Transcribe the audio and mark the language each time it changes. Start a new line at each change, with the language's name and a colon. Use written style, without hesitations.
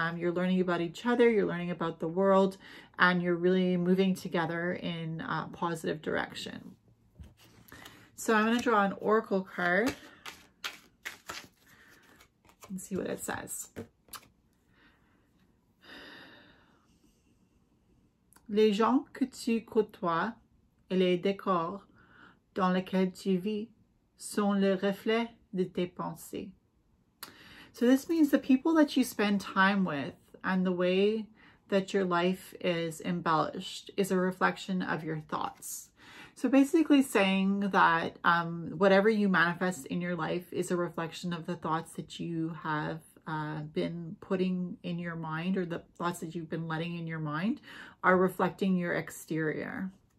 English: You're learning about each other. You're learning about the world. And you're really moving together in a positive direction. So I'm going to draw an oracle card and see what it says.
French: Les gens que tu côtoies et les décors dans lesquels tu vis sont le reflet de tes pensées.
English: So this means the people that you spend time with and the way that your life is embellished is a reflection of your thoughts. So basically saying that whatever you manifest in your life is a reflection of the thoughts that you have been putting in your mind, or the thoughts that you've been letting in your mind are reflecting your exterior.